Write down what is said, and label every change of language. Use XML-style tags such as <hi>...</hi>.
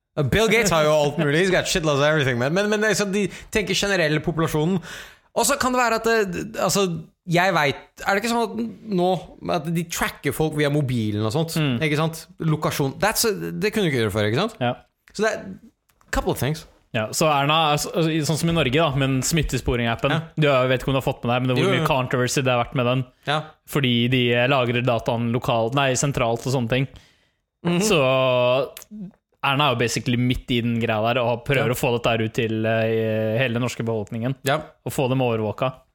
<no>Bill Gates har jo alt mulig.</no> <en>He's got shitloads of everything, man.</en> <no>Men liksom, de tenker generelle populasjonen. Og så kan det være at altså, jeg vet, er det ikke sånn at nå at de tracker folk via mobilen og sånt, ikke sant? Lokasjon. Det kunne du ikke gjøre for, ikke sant? Ja. Så det er</no> <en>couple of things.</en> <no>Ja, så Erna, sånn som i Norge da, med smittesporing-appen, ja. Du vet ikke om du har fått med deg, men det var mye controversy det har vært med den. Ja. Fordi de lagrer dataen lokalt, nei, sentralt og sånne ting. Mm-hmm. Så Erna er jo basically midt i den greia der, og prøver å få dette ut til hele den norske befolkningen. Ja. Og få dem overvåka.</no>